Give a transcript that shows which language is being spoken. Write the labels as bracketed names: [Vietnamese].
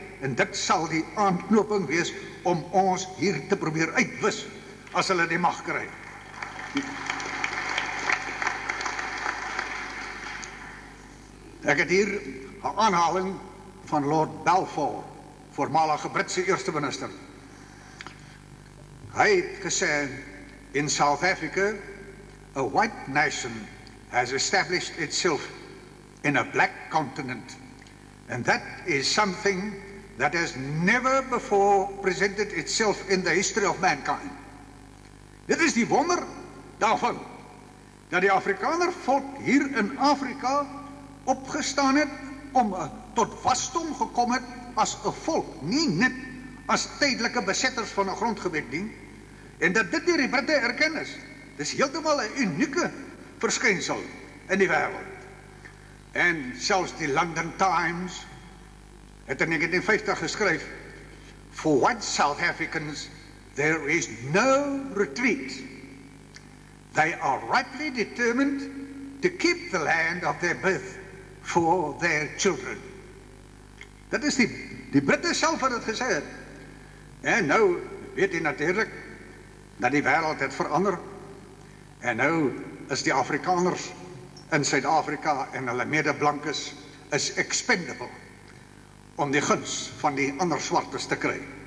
[Afrikaans] En dit sal die aanknoping wees om ons hier te probeer uitwis as hulle die mag kry. Ek het hier 'n aanhaling van Lord Balfour, voormalige Britse eerste minister. Hy het gesê, [English] in South Africa, a white nation has established itself in a black continent, and that is something that has never before presented itself in the history of mankind. [Afrikaans] Dit is die wonder daarvan, dat die Afrikaner volk hier in Afrika opgestaan het om tot vasdom gekom het as 'n volk, nie net as tydelike besetters van 'n grondgebied nie, en dat dit deur die Britte erken is. Dis heeltemal 'n unieke verskynsel in die wêreld. En selfs die London Times het in 1950 geskryf, [English] "For white South Africans, there is no retreat. They are rightly determined to keep the land of their birth for their children." [Afrikaans] Dit is die Britte self wat dit gesê het. En nou weet jy natuurlik dat die wêreld het verander. En nou is die Afrikaners in Suid-Afrika en hulle medeblankes is expendable om die guns van die ander swartes te kry.